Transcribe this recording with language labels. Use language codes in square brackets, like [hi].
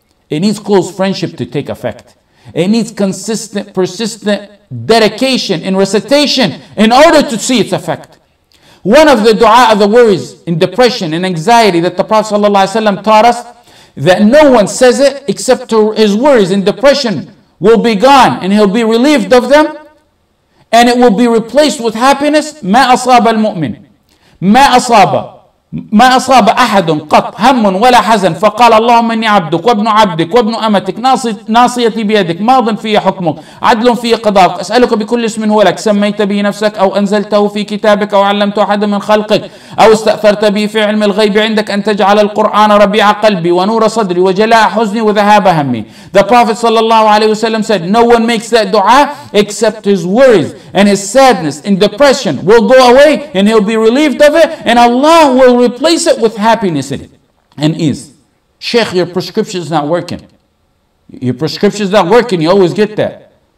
[en] It needs close friendship to take effect. It needs consistent, persistent dedication and recitation in order to see its effect. One of the dua of the worries in depression and anxiety that the Prophet ﷺ taught us, that no one says it except to his worries in depression will be gone and he'll be relieved of them and it will be replaced with happiness. [ar] ما أصاب المؤمن ما أصاب أحد قط هم ولا حزن فقال اللهم إني عبدك وابن أمتك ناصيتي بيدك ماض في حكمك عدل في قضاءك أسألك بكل اسم هو لك سميت به نفسك أو أنزلته في كتابك أو علمت أحد من خلقك أو استأثرت به في علم الغيب عندك أن تجعل القرآن ربيع قلبي ونور صدري وجلاء حزني وذهاب همي. [en] The Prophet صلى الله عليه وسلم said, no one makes that dua except his worries and his sadness and depression will go away and he'll be relieved of it and Allah will replace it with happiness in it and ease. Sheikh, your prescription is not working. Your prescription is not working. You always get that.